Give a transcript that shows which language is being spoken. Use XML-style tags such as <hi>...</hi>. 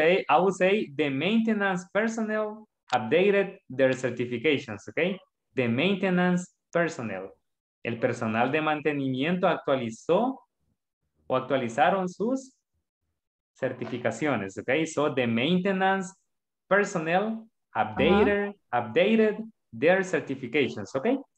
<en>I would say the maintenance personnel updated their certifications, okay? The maintenance personnel.</en> <es>El personal de mantenimiento actualizaron sus certificaciones, okay?</es> <en>So the maintenance personnel updated their certifications, okay?</en>